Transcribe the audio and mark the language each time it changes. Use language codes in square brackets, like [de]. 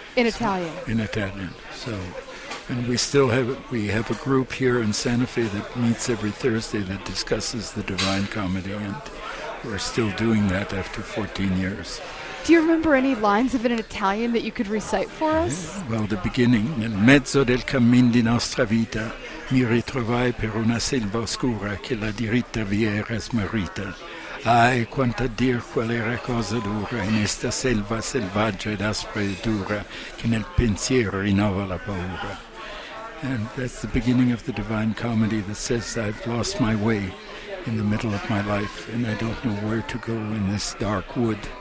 [en] In Italian. So, and we have a group here in Santa Fe that meets every Thursday that discusses the Divine Comedy, and we're still doing that after 14 years. Do you remember any lines of it in Italian that you could recite for us? Well, the beginning. [it] Nel mezzo del cammin di nostra vita mi ritrovai per una selva oscura che la diritta via era smarrita. Ai, quanta dir qual era cosa dura in esta selva selvaggia ed aspra e dura che nel pensiero rinnova la paura. [en] And that's the beginning of the Divine Comedy that says, I've lost my way in the middle of my life, and I don't know where to go in this dark wood.